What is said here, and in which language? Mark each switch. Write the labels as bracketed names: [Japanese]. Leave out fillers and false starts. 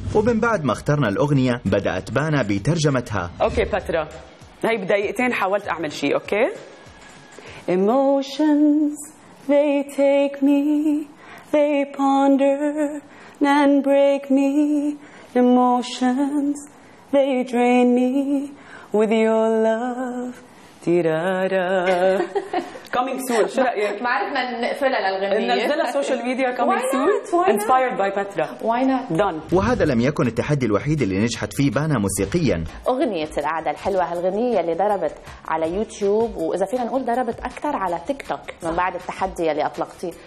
[Arabic] ومن بعد ما اخترنا الأغنية بدأت بانا بترجمتها. أوكي باترا، هاي بدقيقتين حاولت أعمل شيء. أوكي. [English] Emotions they take me they ponder and break me. Emotions they drain me with your love. [Arabic] ترارا [English] Coming soon. [Arabic] شو رايك؟ ما عرفنا نقفلها للغنيه، ننزلها سوشيال ميديا [English] coming soon inspired by [Arabic] باترا. [English] Why not done. [Arabic] وهذا لم يكن التحدي الوحيد اللي نجحت فيه بانا موسيقيا. اغنيه القعده الحلوه، هالغنيه اللي ضربت على يوتيوب، واذا فينا نقول ضربت اكثر على تيك توك من بعد التحدي اللي اطلقتيه.